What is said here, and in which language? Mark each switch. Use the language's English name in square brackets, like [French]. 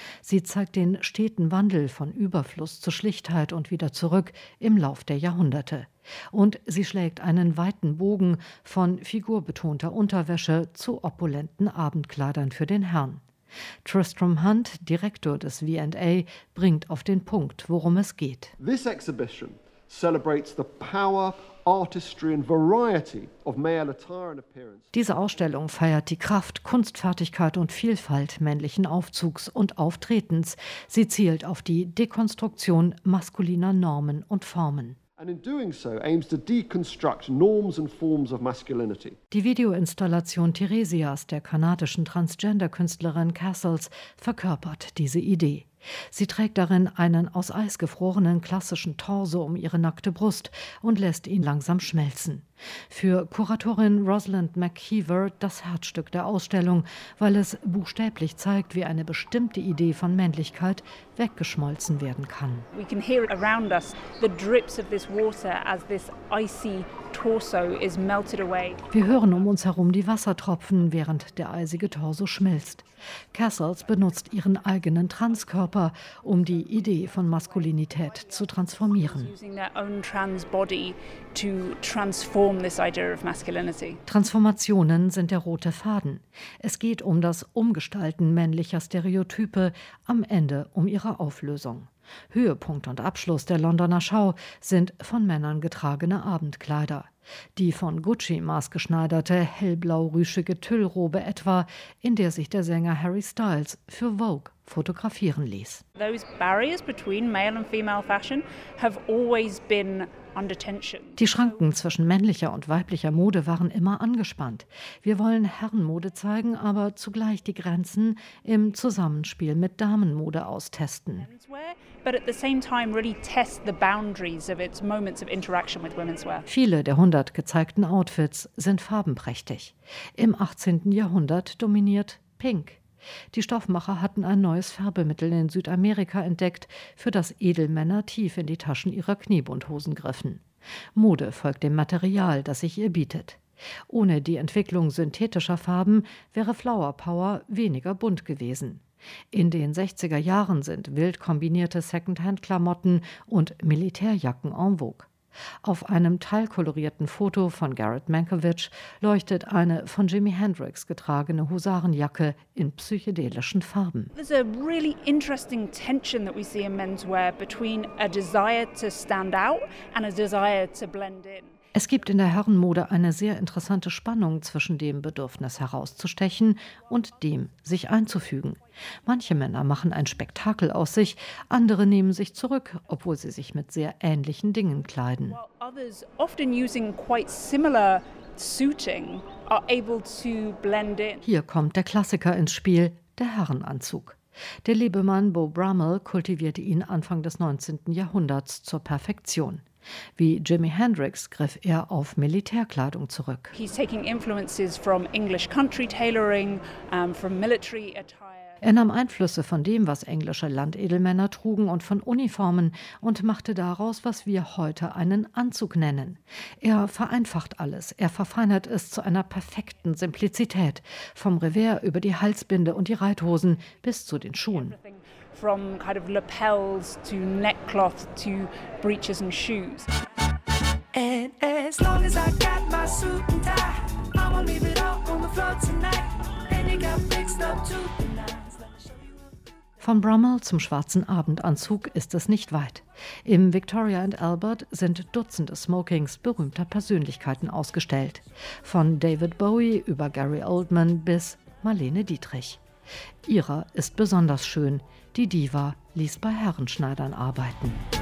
[German] Sie zeigt den steten Wandel von Überfluss zu Schlichtheit und wieder zurück im Lauf der Jahrhunderte. Und sie schlägt einen weiten Bogen von figurbetonter Unterwäsche zu opulenten Abendkleidern für den Herrn. Tristram Hunt, Direktor des V&A, bringt auf den Punkt, worum es geht. [English] This exhibition celebrates the power, artistry and variety of male attire and appearance. [German] Diese Ausstellung feiert die Kraft, Kunstfertigkeit und Vielfalt männlichen Aufzugs und Auftretens. Sie zielt auf die Dekonstruktion maskuliner Normen und Formen. [English] And in doing so aims to deconstruct norms and forms of masculinity. [German] Die Videoinstallation Theresias der kanadischen Transgender-Künstlerin Castles verkörpert diese Idee. Sie trägt darin einen aus Eis gefrorenen klassischen Torso um ihre nackte Brust und lässt ihn langsam schmelzen. Für Kuratorin Rosalind McKeever das Herzstück der Ausstellung, weil es buchstäblich zeigt, wie eine bestimmte Idee von Männlichkeit weggeschmolzen werden kann. [English] We can hear around us the drips of this water as this icy torso is melted away. [German] Wir hören um uns herum die Wassertropfen, während der eisige Torso schmilzt. Castles benutzt ihren eigenen Transkörper, um die Idee von Maskulinität zu transformieren. [English] Using their own trans body to transform this idea of masculinity. [German] Transformationen sind der rote Faden. Es geht um das Umgestalten männlicher Stereotype, am Ende um ihre Auflösung. Höhepunkt und Abschluss der Londoner Schau sind von Männern getragene Abendkleider. Die von Gucci maßgeschneiderte hellblau-rüschige Tüllrobe etwa, in der sich der Sänger Harry Styles für Vogue fotografieren ließ. [English] Those barriers between male and female fashion have always been under tension. [German] Die Schranken zwischen männlicher und weiblicher Mode waren immer angespannt. Wir wollen Herrenmode zeigen, aber zugleich die Grenzen im Zusammenspiel mit Damenmode austesten. [English] But at the same time really test the boundaries of its moments of interaction with women's wear. [German] Viele der 100 gezeigten Outfits sind farbenprächtig. Im 18. Jahrhundert dominiert Pink. Die Stoffmacher hatten ein neues Färbemittel in Südamerika entdeckt, für das Edelmänner tief in die Taschen ihrer Kniebundhosen griffen. Mode folgt dem Material, das sich ihr bietet. Ohne die Entwicklung synthetischer Farben wäre Flower Power weniger bunt gewesen. In den 60er Jahren sind wild kombinierte Secondhand-Klamotten und Militärjacken en vogue. Auf einem teilkolorierten Foto von Garrett Mankiewicz leuchtet eine von Jimi Hendrix getragene Husarenjacke in psychedelischen Farben. [English] There's a really interesting tension that we see in menswear between a desire to stand out and a desire to blend in. [German] Es gibt in der Herrenmode eine sehr interessante Spannung zwischen dem Bedürfnis herauszustechen und dem, sich einzufügen. Manche Männer machen ein Spektakel aus sich, andere nehmen sich zurück, obwohl sie sich mit sehr ähnlichen Dingen kleiden. [English] Others often using quite similar suiting are able to blend in. [German] Hier kommt der Klassiker ins Spiel, der Herrenanzug. Der Lebemann Beau Brummell kultivierte ihn Anfang des 19. Jahrhunderts zur Perfektion. Wie Jimi Hendrix griff er auf Militärkleidung zurück. Er nahm Einflüsse von dem, was englische Landedelmänner trugen, und von Uniformen und machte daraus, was wir heute einen Anzug nennen. Er vereinfacht alles, er verfeinert es zu einer perfekten Simplizität, vom Revers über die Halsbinde und die Reithosen bis zu den Schuhen. [English] From kind of lapels to neckcloth to breeches and shoes. And as long as I got my suit and tie, I won't leave it all on the floor tonight. And you got fixed up to the nines. Let me show you. [German] Vom Brummell zum schwarzen Abendanzug ist es nicht weit. Im Victoria and Albert sind Dutzende Smokings berühmter Persönlichkeiten ausgestellt. Von David Bowie über Gary Oldman bis Marlene Dietrich. Ihrer ist besonders schön. Die Diva ließ bei Herrenschneidern arbeiten.